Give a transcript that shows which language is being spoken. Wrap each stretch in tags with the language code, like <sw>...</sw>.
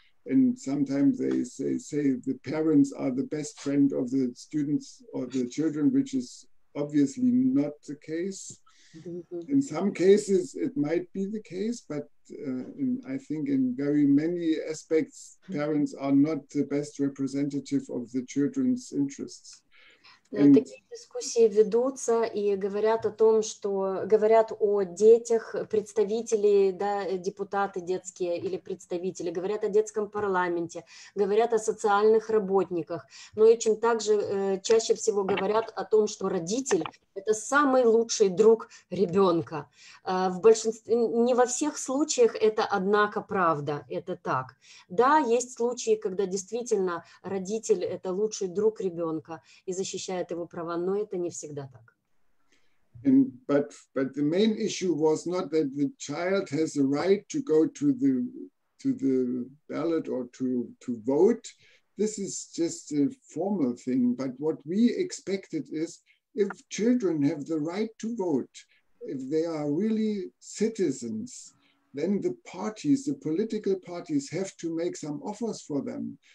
<en>And sometimes they say the parents are the best friend of the students or the children, which is obviously not the case. Mm-hmm. In some cases, it might be the case, but I think in very many aspects, parents are not the best representative of the children's interests.</en> <ru>Такие дискуссии ведутся и говорят о том, что говорят о детях, представители, да, депутаты детские или представители, говорят о детском парламенте, говорят о социальных работниках, но и чем также чаще всего говорят о том, что родитель – это самый лучший друг ребенка. В большинстве, не во всех случаях это, однако, правда, это так. Да, есть случаи, когда действительно родитель – это лучший друг ребенка и защищает его права, но это не всегда так.</ru> <en>And, but the main issue was not that the child has a right to go to the ballot or to vote. This is just a formal thing. But what we expected is if children have the right to vote, if they are really citizens, then the parties, the political parties, have to make some offers for them.</en>